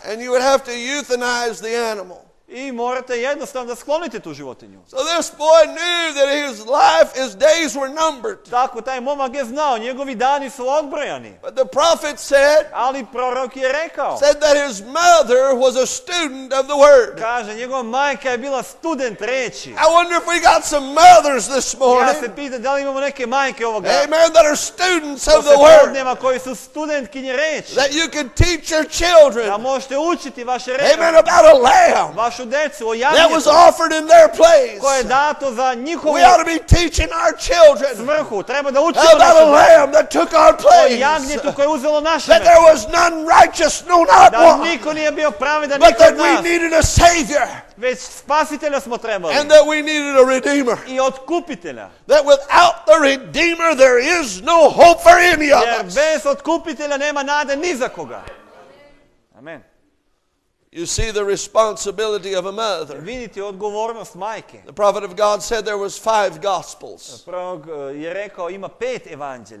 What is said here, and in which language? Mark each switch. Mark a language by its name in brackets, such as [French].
[English] And you would have to euthanize the animal. [Serbian] I morate jednostavno da sklonite tu životinju. [English] So this boy knew that his life, his days were numbered. [Serbian] Tako taj momak je znao, njegovi dani su odbrojani. [English] But the prophet said. [Serbian] Ali prorok je rekao. [English] Said that his mother was a student of the word. [Serbian] Kaže, njegova majka je bila student reči. [English] I wonder if we got some mothers this morning. [Serbian] Ja se pitam da li imamo neke majke ovoga. [English] Amen, that are students of the word. [Serbian] Nema koji su studentkinje reči. [English] That you can teach your children. [Serbian] Da možete učiti vaše reči. [English] Amen, about a lamb. That was offered in their place. We ought to be teaching our children about a lamb that took our place. That there was none righteous, no not one. But that we needed a savior. [Serbian] Već spasitelja smo trebali. [English] And that we needed a redeemer. [Serbian] I otkupitelja. [English] That without the redeemer there is no hope for any of us. [Serbian] Jer bez otkupitelja nema nade ni za koga. Amen. [English] You see the responsibility of a mother. [Serbian] Vidite odgovornost majke. [English] The prophet of God said there was five gospels. [Serbian] Prorok je rekao ima pet evanđelja.